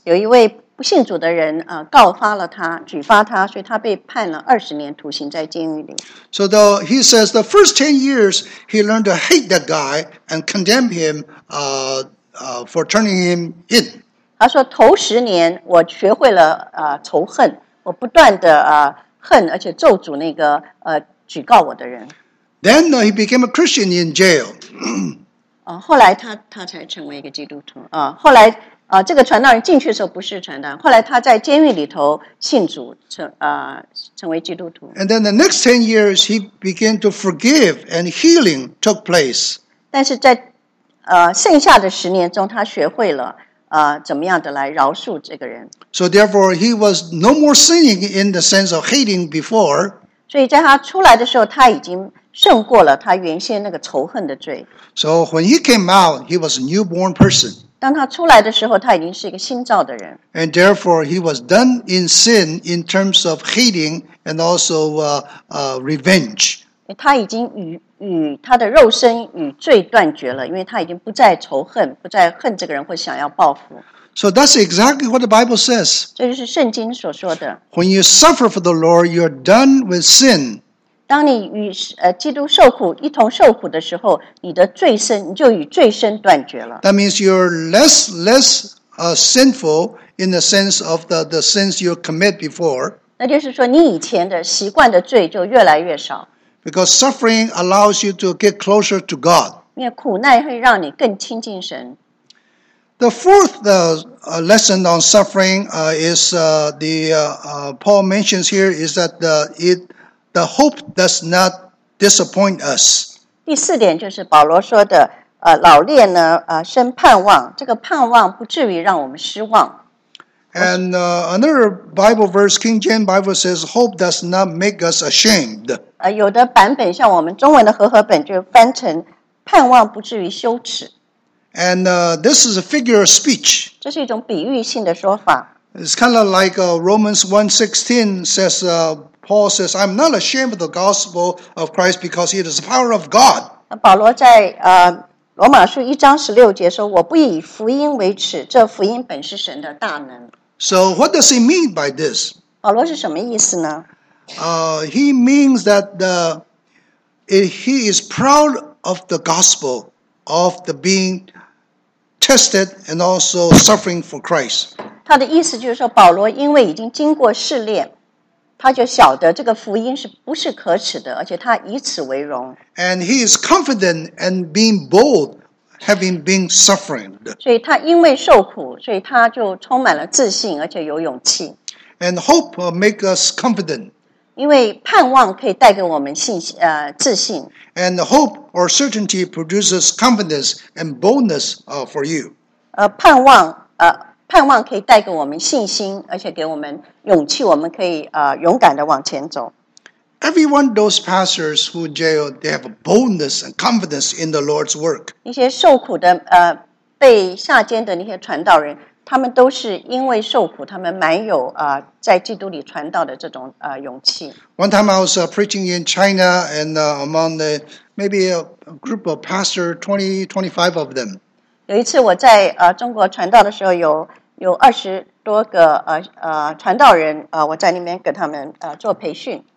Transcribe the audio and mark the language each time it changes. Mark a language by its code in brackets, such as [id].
[zh] 有一位不信主的人告发了他，举发他，所以他被判了二十年徒刑在监狱里。 [en] So he says the first 10 years he learned to hate that guy and condemn him for turning him in. [zh] 他说头十年我学会了仇恨，我不断的恨，而且咒诅那个举告我的人。 [en] Then he became a Christian in jail. [zh] 后来他才成为一个基督徒。后来这个传道人进去的时候不是传道人，后来他在监狱里头信主，成为基督徒。 [en] And then the next 10 years he began to forgive and healing took place. [zh] 但是在剩下的十年中，他学会了怎么样的来饶恕这个人。 [en] So therefore, he was no more sinning in the sense of hating before. [zh] 所以在他出来的时候，他已经胜过了他原先那个仇恨的罪。 [en] So when he came out, he was a newborn person. [zh] 当他出来的时候，他已经是一个新造的人。 [en] And therefore, he was done in sin in terms of hating and also revenge. [zh] 他已经与他的肉身与罪断绝了，因为他已经不再仇恨，不再恨这个人或想要报复。 [en] So that's exactly what the Bible says. [zh] 这就是圣经所说的。 [en] When you suffer for the Lord, you're done with sin. [zh] 当你与基督受苦，一同受苦的时候，你的罪身，你就与罪身断绝了。 [en] That means you're less sinful in the sense of the sins you commit before. [zh] 那就是说，你以前的习惯的罪就越来越少。 [en] Because suffering allows you to get closer to God. [zh] 因为苦难会让你更亲近神。 [en] The fourth lesson on suffering Paul mentions here is that the hope does not disappoint us. [zh] 第四点就是保罗说的，老练呢，生盼望，这个盼望不至于让我们失望。 [en] And another Bible verse, King James Bible says, hope does not make us ashamed. [zh] 有的版本像我们中文的和合本就翻成盼望不至于羞耻。 [en] And this is a figure of speech. [zh] 这是一种比喻性的说法。 [en] It's kind of like Romans 1:16 says, Paul says, I'm not ashamed of the gospel of Christ because it is the power of God. [zh] 保罗在罗马书一章十六节说，我不以福音为耻，这福音本是神的大能。 [en] So what does he mean by this? [zh] 保罗是什么意思呢？ [en] He means that he is proud of the gospel, of the being tested and also suffering for Christ. [zh] 他的意思就是说，保罗因为已经经过试炼，他就晓得这个福音是不是可耻的，而且他以此为荣。 [en] And he is confident and being bold, having been suffering. [zh] 所以他因为受苦，所以他就充满了自信，而且有勇气。 [en] And hope make us confident. [zh] 因为盼望可以带给我们信心，自信。 [en] And hope or certainty produces confidence and boldness for you. [zh] 盼望可以带给我们信心，而且给我们勇气，我们可以勇敢地往前走。 [en] Everyone, those pastors who jail, they have a boldness and confidence in the Lord's work. [zh] 那些受苦的, 被下监的那些传道人, 他们都是因为受苦, 他们蛮有, 在基督里传道的这种, 勇气。 [en] One time I was preaching in China and among the maybe a group of pastors, 20, 25 of them. [zh] 有一次我在, 中国传道的时候, 有20多个, 传道人, 我在里面给他们, 做培训。